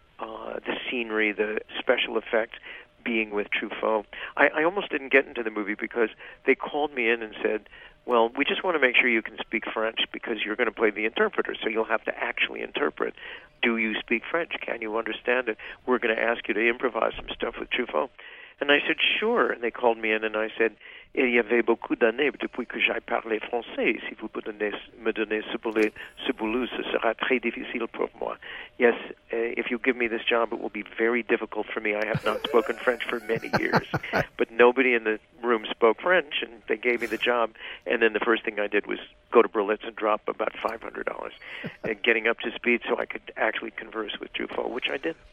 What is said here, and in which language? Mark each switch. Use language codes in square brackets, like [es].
[en] The scenery, the special effects, being with Truffaut. I almost didn't get into the movie because they called me in and said, well, we just want to make sure you can speak French because you're going to play the interpreter, so you'll have to actually interpret. Do you speak French? Can you understand it? We're going to ask you to improvise some stuff with Truffaut. And I said, sure. And they called me in and I said, [fr] il y avait beaucoup d'années depuis que j'ai parlé français. Si vous me donnez ce boulot, ce sera très difficile pour moi. [en] Yes, if you give me this job, it will be very difficult for me. I have not spoken French for many years. But nobody in the room spoke French, and they gave me the job. And then the first thing I did was go to Berlitz and drop about $500, and getting up to speed so I could actually converse with Truffaut, which I did.